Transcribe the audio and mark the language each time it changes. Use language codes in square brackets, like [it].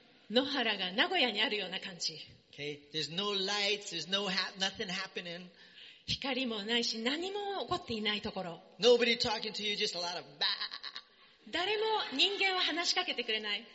[ja] 野原が名古屋にあるような感じ。 [en] Okay, there's no lights, there's no nothing happening. [ja] 光もないし、何も起こっていないところ。 [en] Nobody talking to you, just a lot of ba. [ja] 誰も人間は話しかけてくれない。